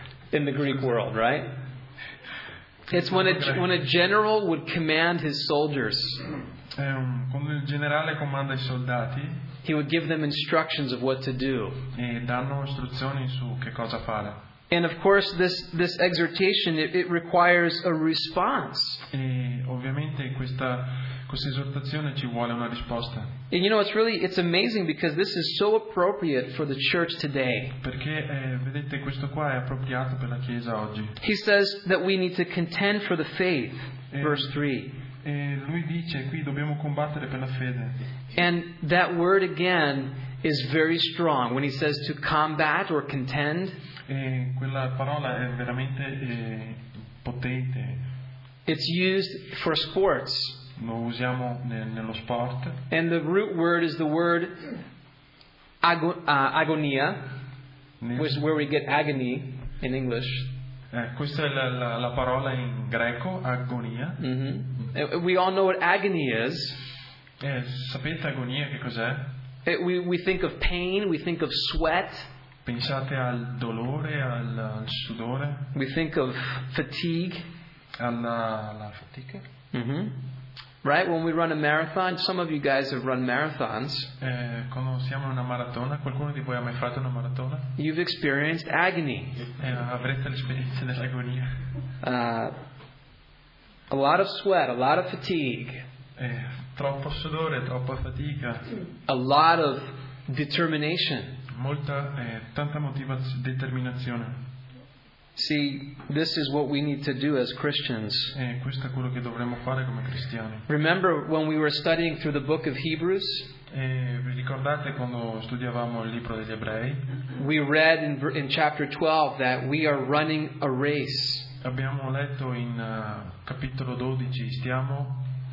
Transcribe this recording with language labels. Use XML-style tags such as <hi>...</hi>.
<en>In the Greek world, right? It's when a general would command his soldiers.</en> <it>Quando il generale comanda i soldati.</it> <en>He would give them instructions of what to do.</en> <it>E danno istruzioni su che cosa fare.</it> <en>And of course, this exhortation it requires a response.</en> <it>E ovviamente questa esortazione ci vuole una risposta.</it> <en>And you know, it's amazing because this is so appropriate for the church today.</en> <it>Perché vedete, questo qua è appropriato per la chiesa oggi.</it> <en>He says that we need to contend for the faith. Verse 3.</en> <it>E lui dice qui dobbiamo combattere per la fede.</it> <en>And that word again is very strong when he says to combat or contend.</en> <it>E quella parola è veramente potente.</it> <en>It's used for sports.</en> <it>Lo usiamo nello sport.</it> <en>And the root word is the word agonia, which is where we get agony in English.</en> <it>Questa è la parola in greco, agonia.</it> <en>Mm-hmm. We all know what agony is.</en> <it>Sapete agonia che cos'è?</it> <en>We think of pain, we think of sweat.</en> <it>Pensate al dolore, al sudore.</it> <en>We think of fatigue.</en> <it>Alla fatica. Mm-hmm.</it> <en>Right, when we run a marathon, some of you guys have run marathons.</en> <it>Quando siamo in una maratona, qualcuno di voi ha mai fatto una maratona?</it> <en>You've experienced agony.</en> <it>Avrete l'esperienza dell'agonia.</it> <en>A lot of sweat, a lot of fatigue.</en> <it>Troppo sudore, troppa fatica.</it> <en>A lot of determination.</en> <it>Tanta determinazione.</it> <en>See, this is what we need to do as Christians.</en> <it>Questo è quello che dovremmo fare come cristiani.</it> <en>Remember when we were studying through the book of Hebrews?</en> <it>Vi ricordate quando studiavamo il libro degli Ebrei?</it> <en>We read in chapter 12 that we are running a race.</en> <it>Abbiamo letto in capitolo 12, stiamo</it>